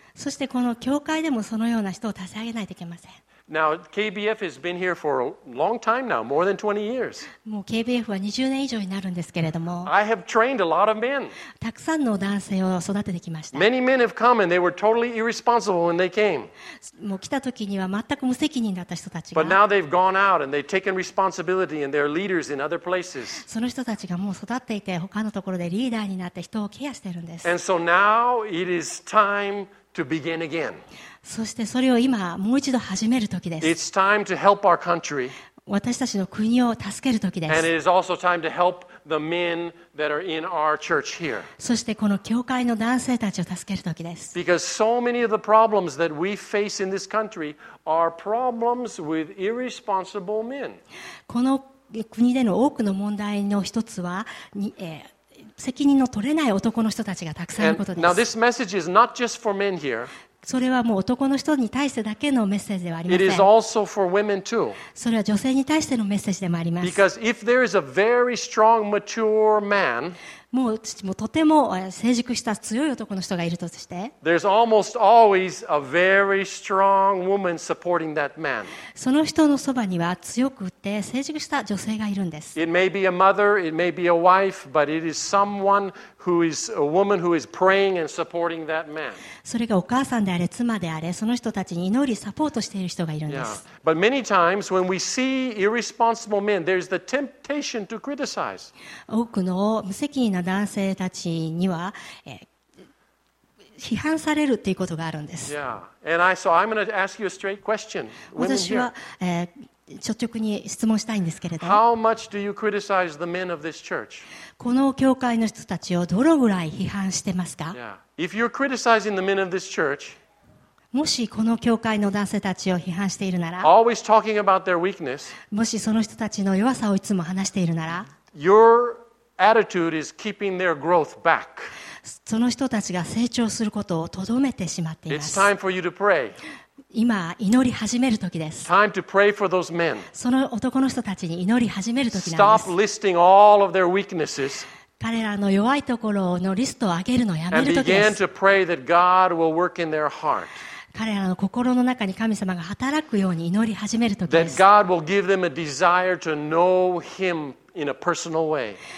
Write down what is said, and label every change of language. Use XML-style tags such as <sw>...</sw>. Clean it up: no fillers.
<ja>そしてこの教会でもそのような人を立ち上げないといけません。</ja> <en>Now, KBF has been here for a long time now, more than 20 years.</en> <ja>もう KBF は20年以上になるんですけれども。</ja> <en>I have trained a lot of men.</en> <ja>たくさんの男性を育ててきました。</ja> <en>Many men have come and they were totally irresponsible when they came.</en> <ja>もう来た時には全く無責任だった人たちが。</ja> <en>But now they've gone out and they've taken responsibility and they're leaders in other places.</en> <ja>その人たちがもう育っていて他のところでリーダーになって人をケアしているんです。</ja> <en>And so now it is time to begin again.</en> <ja>そしてそれを今もう一度始める時です。</ja> <en>It's time to help our country.</en> <ja>私たちの国を助ける時です。</ja> <en>And it is also time to help the men that are in our church here.</en> <ja>そしてこの教会の男性たちを助ける時です。</ja> <en>Because so many of the problems that we face in this country are problems with irresponsible men.</en> <ja>この国での多くの問題の一つは、責任の取れない男の人たちがたくさんいることです。</ja> <en>And now this message is not just for men here.</en> <ja>それはもう男の人に対してだけのメッセージではありません。</ja> <en>It is also for women too.</en> <ja>それは女性に対してのメッセージでもあります。</ja> <en>Because if there is a very strong, mature man,</en> <ja>もうとても成熟した強い男の人がいるとして、</ja> <en>there's almost always a very strong woman supporting that man.</en> <ja>その人のそばには強くて成熟した女性がいるんです。</ja> <en>It may be a mother, it may be a wife, but it is someone. Who is a woman who is praying and supporting that man?</en> <ja>それがお母さんであれ妻であれその人たちに祈りサポートしている人がいるんです。</ja> <en>Yeah. But many times when we see irresponsible men, there's the temptation to criticize.</en> <ja>多くの無責任な男性たちには批判されるということがあるんです。</ja> <en>Yeah. And so I'm going to ask you a straight question.</en> <ja>私は率直に質問したいんですけれど、</ja> <en>How much do you criticize the men of this church?</en> <ja>この教会の人たちをどのぐらい批判してますか?</ja> <en>Yeah. If you're criticizing the men of this church,</en> <ja>もしこの教会の男性たちを批判しているなら、</ja> <en>Always talking about their weakness,</en> <ja>もしその人たちの弱さをいつも話しているなら、</ja> <en>Your attitude is keeping their growth back.</en> <ja>その人たちが成長することをとどめてしまっています。</ja> <en>It's time for you to pray.</en> <ja>今祈り始める時です。</ja> <en>Time to pray for those men.</en> <ja>その男の人たちに祈り始める時なんです。</ja> <en>Stop listing all of their weaknesses.</en> <ja>彼らの弱いところのリストを上げるのをやめる時です。</ja> <en>And begin to pray that God will work in their heart.</en> <ja>彼らの心の中に神様が働くように祈り始める時です。</ja> <en>That God will give them a desire to know Him in a personal way.</en>